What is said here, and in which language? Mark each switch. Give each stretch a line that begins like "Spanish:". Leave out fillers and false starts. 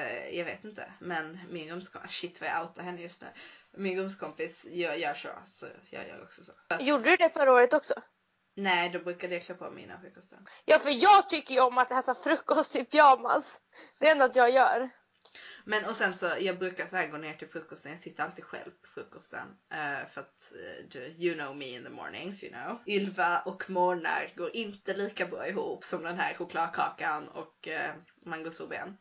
Swedish: Jag vet inte, men min rumskompis, shit vad jag outar henne just nu. Min rumskompis gör så, så jag gör också så. Gjorde du det förra året också? Nej, då brukar jag klä på mina frukosten. Ja, för jag tycker ju om att äta frukost i pyjamas. Det är något jag gör. Men och sen så, jag brukar så här gå ner till frukosten. Jag sitter alltid själv på frukosten. För att,
English: you know me in the mornings, you know.
Swedish: Ylva och morgnar går inte lika bra ihop som den här chokladkakan och mangosorben.